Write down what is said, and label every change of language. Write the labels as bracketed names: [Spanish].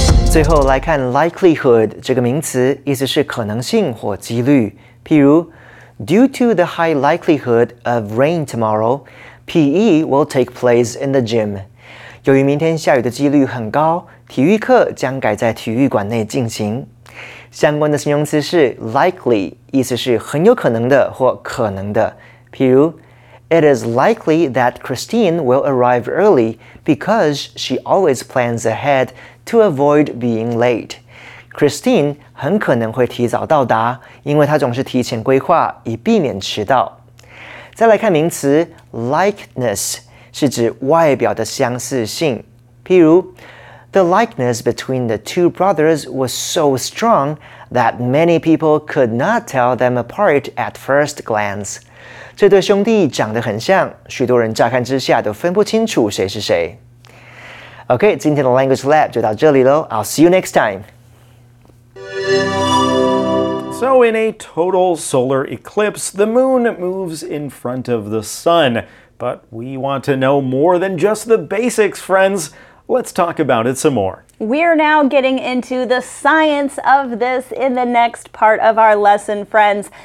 [Chinese] 最后来看 likelihood 这个名词，意思是可能性或几率。譬如 [English] ，Due to the high likelihood of rain tomorrow, PE will take place in the gym. [Chinese] 由于明天下雨的几率很高，体育课将改在体育馆内进行。相关的形容词是 likely， 意思是很有可能的或可能的。譬如 [English] ，It is likely that Christine will arrive early because she always plans ahead to avoid being late. [Chinese] Christine 很可能会提早到达，因为她总是提前规划以避免迟到。再来看名词 likeness， 是指外表的相似性。譬如。 [English] The likeness between the two brothers was so strong that many people could not tell them apart at first glance. [Chinese] 这对兄弟长得很像，许多人乍看之下都分不清楚谁是谁。 [English] OK, [Chinese] 今天的 [English] Language Lab [Chinese] 就到这里咯。 [English] I'll see you next time. So in a total solar eclipse, the moon moves in front of the sun. But we want to know more than just the basics, friends. Let's talk about it some more. We're now getting into the science of this in the next part of our lesson, friends.